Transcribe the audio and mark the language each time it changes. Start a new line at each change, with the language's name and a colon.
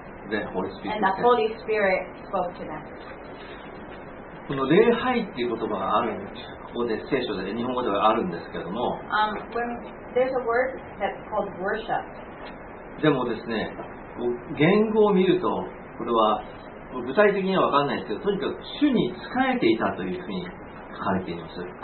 English: And the Holy Spirit spoke to them.
Japanese: この礼拝っていう言葉があるんです。ここで聖書で日本語ではあるんですけども。
English: There's a word that's called worship.
Japanese: でもですね、言語を見ると、これは具体的には分からないですけど、とにかく主に仕えていたというふうに書かれています。